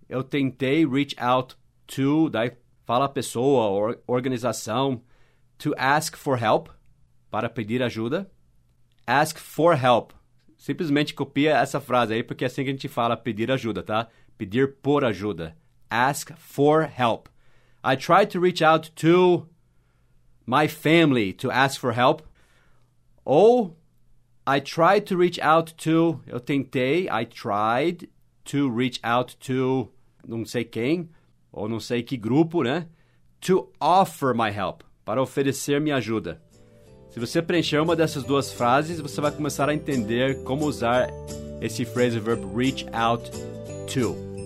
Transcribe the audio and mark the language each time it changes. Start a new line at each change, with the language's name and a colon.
Portuguese: Eu tentei reach out to. Daí fala a pessoa ou organização.
English: To ask for help.
Portuguese: Para pedir ajuda.
English: Ask for help.
Portuguese: Simplesmente copia essa frase aí, porque é assim que a gente fala pedir ajuda, tá? Pedir por ajuda.
English: Ask for help. I tried to reach out to my family to ask for help.
Portuguese: Ou,
English: I tried to reach out to,
Portuguese: eu tentei,
English: I tried to reach out to
Portuguese: não sei quem, ou não sei que grupo, né?
English: To offer my help,
Portuguese: para oferecer minha ajuda. Se você preencher uma dessas duas frases, você vai começar a entender como usar esse phrasal verb reach out to.